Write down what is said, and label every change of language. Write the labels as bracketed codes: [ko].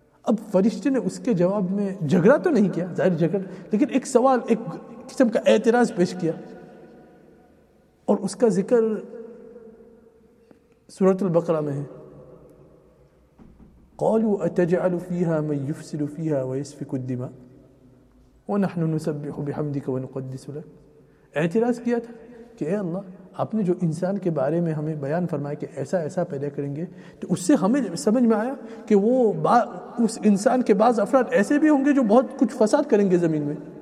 [ur] اب فرشتے نے اس کے جواب میں جھگڑا تو نہیں کیا، ظاہر جھگڑا، لیکن ایک سوال، ایک قسم کا اعتراض پیش کیا، اور اس کا ذکر سورۃ البقرہ میں ہے. [ar] قالوا أتجعل فيها من يفسل فيها ويسفك الدماء ونحن نسبح بحمدك ونقدس لك. [ur] اعتراض کیا تھا کہ اے اللہ آپ نے جو انسان کے بارے میں ہمیں بیان فرمایا کہ ایسا ایسا پیدا کریں گے تو اس سے ہمیں سمجھ میں آیا کہ وہ اس انسان کے بعض افراد ایسے بھی ہوں گے جو بہت کچھ فساد کریں گے زمین میں.